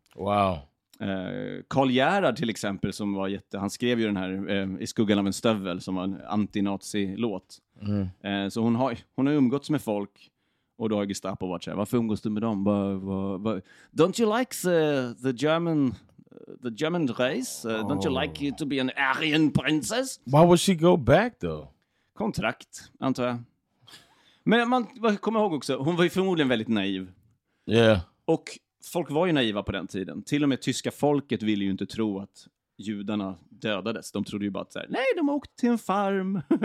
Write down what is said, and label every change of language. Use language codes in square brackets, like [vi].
[en] wow. [sv] Karl Gerhard till exempel, som var jätte, han skrev ju den här I skuggan av en stövel, som var en anti-nazi-låt. Så hon har umgåtts med folk. Och då har Gestapo varit så här, varför umgås du med dem? [en] Don't you like the German... the German race? Don't you like you to be an Aryan princess? Why would she go back though? [sv] Kontrakt, antar jag. Men man kommer ihåg också, hon var ju förmodligen väldigt naiv. [en] Yeah. [sv] Och folk var ju naiva på den tiden. Till och med tyska folket ville ju inte tro att judarna dödades. De trodde ju bara såhär, nej, de åkte till en farm.